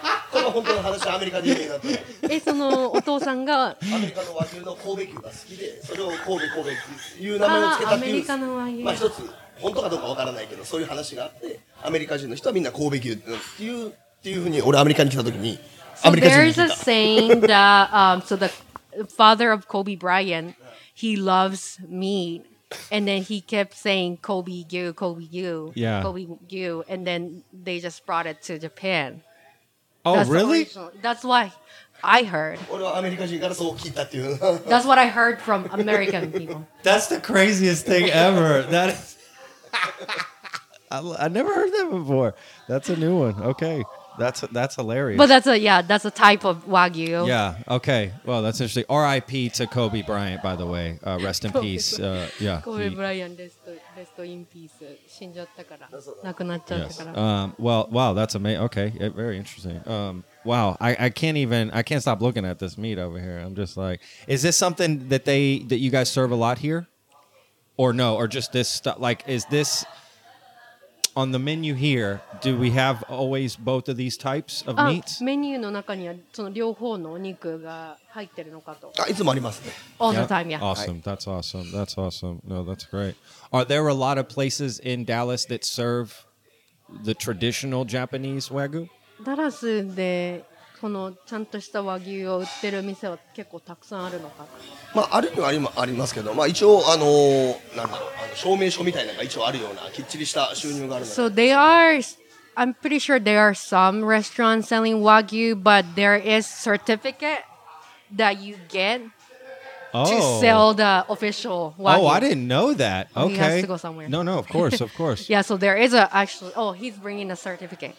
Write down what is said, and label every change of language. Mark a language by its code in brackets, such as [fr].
[ja] この本当の話はアメリカで有名だった。そのお父さんがアメリカの和牛の神戸牛が好きで、それを神戸っていう名前をつけたっていう。アメリカの和牛。まあ一つ、本当かどうかわからないけど、そういう話があって、アメリカ人の人はみんな神戸牛っていうふうに、俺アメリカに来た時に、アメリカ人に聞いた。 [en] So there's a saying that, so the father of Kobe Bryant,He loves meat, and then he kept saying Kobe Gyu, Kobe Gyu, Kobe Gyu, and then they just brought it to Japan. Oh, that's really? That's why I heard. That's what I heard from American people. That's the craziest thing ever. That is... I never heard that before. That's a new one. Okay. That's hilarious. But that's a type of Wagyu. Yeah, okay. Well, that's interesting. R.I.P. to Kobe Bryant, by the way. Rest in peace. Yeah. Kobe Bryant, rest in peace. [ja] 死んじゃったから。亡くなっちゃったから。 [en] Well, wow, that's amazing. Okay, yeah, very interesting. Wow, I can't stop looking at this meat over here. I'm just like, is this something that you guys serve a lot here? Or no, or just this stuff? Like, is this... On the menu here, do we have always both of these types of meats? [ja] メニューの中にはその両方のお肉が入ってるのかと。あ、いつもありますね。 [en] All the time, yeah. Awesome. That's awesome. That's awesome. No, that's great. Are there a lot of places in Dallas that serve the traditional Japanese Wagyu? [ja] ダラスでこのちゃんとした和牛を売ってる店は結構たくさんあるのか。まあ、あるにはありますけど、まあ、一応なんだろう、証明書みたいなのが一応あるようなきっちりした収入があるので。 [en] So they are, I'm pretty sure there are some restaurants selling Wagyu, but there is certificate that you get to sell the official wagyu. Oh, I didn't know that. Okay. He has to go somewhere. No, no, of course, of course. Yeah, so there is a actually, oh, he's bringing a certificate.